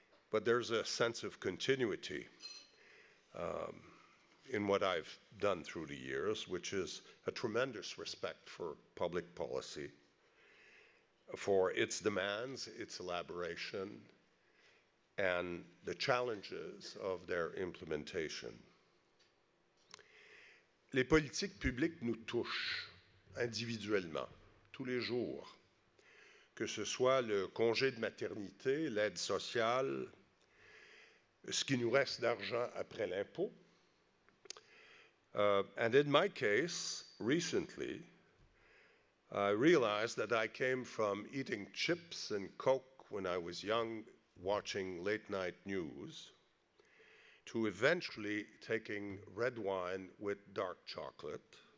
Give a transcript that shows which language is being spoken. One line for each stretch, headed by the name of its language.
English: But there's a sense of continuity in what I've done through the years, which is a tremendous respect for public policy, for its demands, its elaboration, and the challenges of their implementation.
French: Les politiques publiques nous touchent individuellement, tous les jours, que ce soit le congé de maternité, l'aide sociale, ce qui nous reste d'argent après l'impôt.
English: And in my case, recently, I realized that I came from eating chips and Coke when I was young, watching late night news, to eventually taking red wine with dark chocolate.